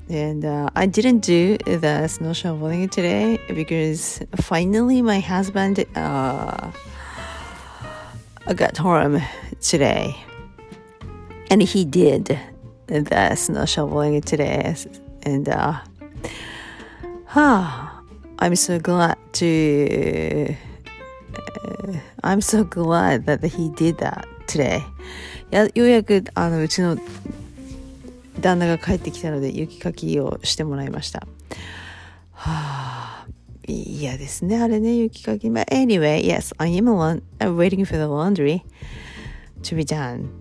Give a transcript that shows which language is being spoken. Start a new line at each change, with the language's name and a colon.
English: And I didn't do the snow shoveling today because finally my husband got home today. And he did the snow shoveling today. And I'm so glad that he did that today.
Japanese: ようやくうちの旦那が帰ってきたので雪かきをしてもらいました。はあ、いやですね、あれね、雪かき。
English: But anyway, yes, I am waiting for the laundry to be done.